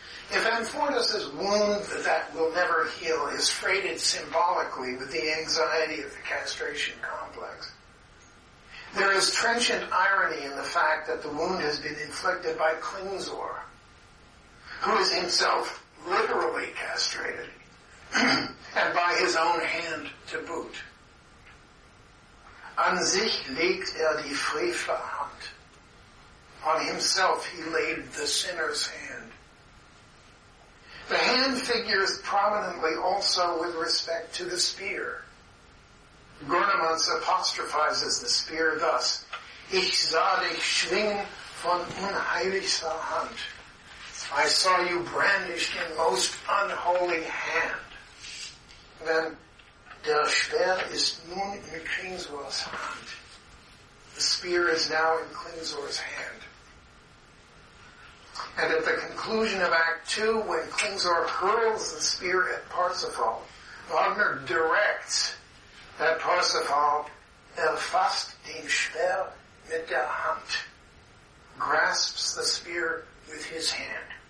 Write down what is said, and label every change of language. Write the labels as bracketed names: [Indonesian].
[English] If Amfortas' wound that will never heal is freighted symbolically with the anxiety of the castration complex, there is trenchant irony in the fact that the wound has been inflicted by Klingsor, who is himself literally castrated, and by his own hand to boot. [German] An sich legt die Frevler Hand. [English] On himself he laid the sinner's hand. The hand figures prominently also with respect to the spear. Gurnemanz apostrophizes the spear thus, [German] Ich sah dich schwingen von unheiligster Hand. [English] I saw you brandished in most unholy hand. [German] Then, Der Speer ist nun in Klingsor's Hand. [English] The spear is now in Klingsor's hand. And at the conclusion of Act Two, when Klingsor hurls the spear at Parsifal, Wagner directs that Parsifal [German] erfasst den Speer mit der Hand, [English] grasps the spear with his hand.